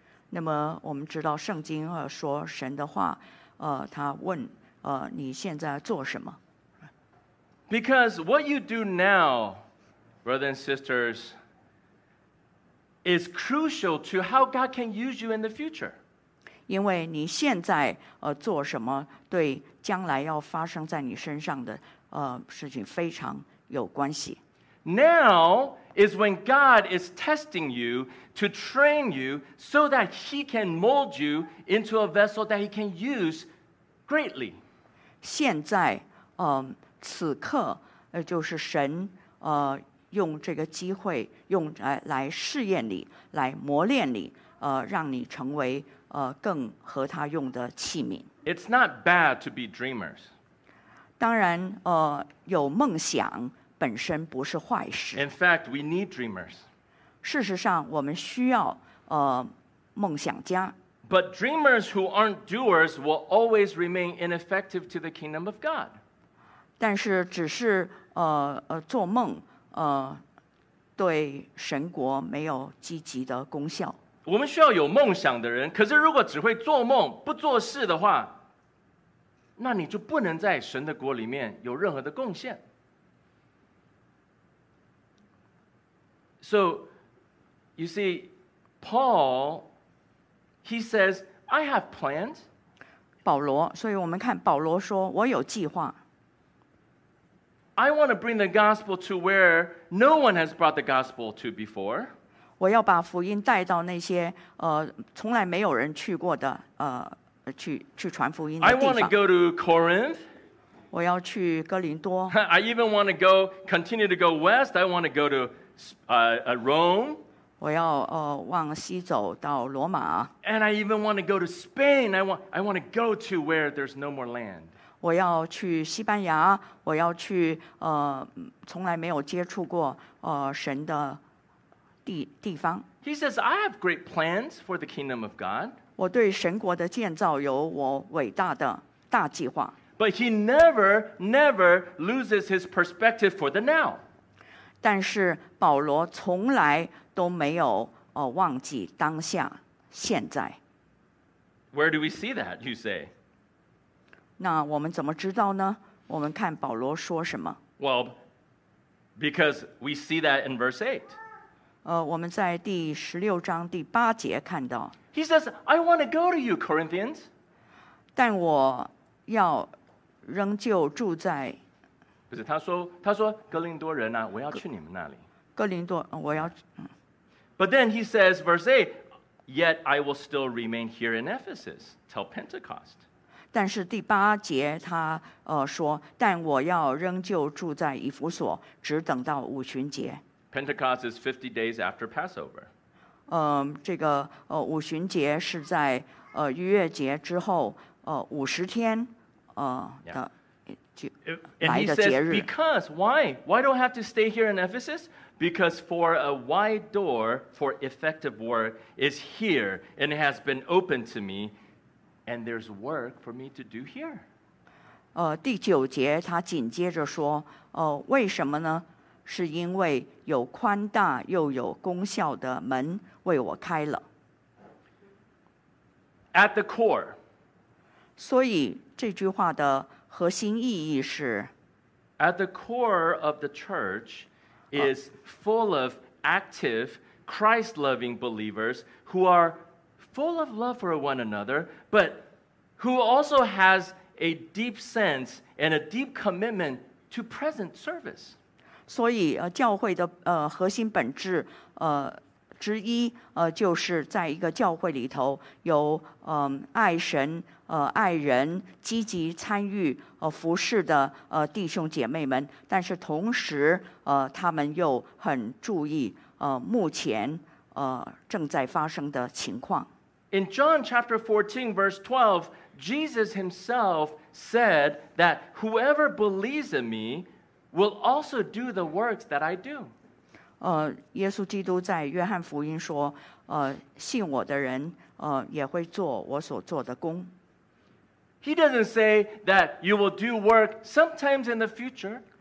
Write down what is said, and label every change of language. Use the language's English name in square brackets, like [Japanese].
[Chinese] 那么我们知道圣经说神的话他问你现在做什么 [English] Because what you do now, brothers and sisters, is crucial to how God can use you in the future. [Chinese] 因为你现在做什么对将来要发生在你身上的事情非常有关系。 [English] Now is when God is testing you to train you so that He can mold you into a vessel that He can use greatly. [Chinese] 现在此刻就是神用这个机会用来试验你来磨练你让你成为更合他用的器皿。 [English] It's not bad to be dreamers. [Chinese] 当然有梦想本身不是坏事。 [English] In fact, we need dreamers. [Chinese] 事实上，我们需要梦想家。 [English] But dreamers who aren't doers will always remain ineffective to the kingdom of God. [Chinese] 但是只是做梦对神国没有积极的功效。我们需要有梦想的人，可是如果只会做梦不做事的话，那你就不能在神的国里面有任何的贡献。 [English] So, you see, Paul, he says, I have plans. [Chinese] 保罗，所以我们看保罗说，我有计划。 [English] I want to bring the gospel to where no one has brought the gospel to before. [Chinese] 我要把福音带到那些从来没有人去过的去传福音的地方。 [English] I want to go to Corinth. [Chinese] 我要去哥林多。 [English] I even want to go, continue to go west. I want to go to Rome. [Chinese] 我要往西走到罗马。 [English] And I even want to go to Spain. I want to go to where there's no more land. [Chinese] 我要去西班牙，我要去从来没有接触过神的地方。 [English] He says, I have great plans for the kingdom of God. [Chinese] 我对神国的建造有我伟大的大计划。 [English] But he never loses his perspective for the now. [Chinese] 但是保罗从来都没有忘记当下，现在。 [English] Where do we see that, you say? [Chinese] 那我们怎么知道呢？我们看保罗说什么。 [English] Well, because we see that in verse 8. [Chinese] 我们在第十六章第八节看到。 [English] He says, I want to go to you, Corinthians. [Chinese] 但我要仍旧住在。不是，他说哥林多人啊，我要去你们那里。哥林多，我要。 [English] But then he says, verse 8, yet I will still remain here in Ephesus till Pentecost. [Chinese] 但是第八节他说，但我要仍旧住在以弗所，只等到五旬节。 [English] Pentecost is 50 days after Passover. [Chinese] 这个五旬节是在逾越节之后五十天的。 [English] Yeah. And he says, because, why? Why do I have to stay here in Ephesus? Because for a wide door for effective work is here and it has been opened to me and there's work for me to do here. [Chinese] 第九节他紧接着说为什么呢？是因为有宽大又有功效的门为我开了。 [English] At the core. [Chinese] 所以这句话的核心意义是 [English] At the core of the church is full of active Christ-loving believers who are full of love for one another, but who also has a deep sense and a deep commitment to present service. [Chinese] 所以教会的核心本质之一就是在一个教会里头有爱神爱人积极参与服事的弟兄姐妹们，但是同时他们又很注意目前正在发生的情况。 [English] In John chapter 14 verse 12, Jesus himself said that whoever believes in me will also do the works that I do. [Chinese] 耶稣基督在约翰福音说信我的人也会做我所做的工。 [English] He doesn't say that you will do work sometimes in the future.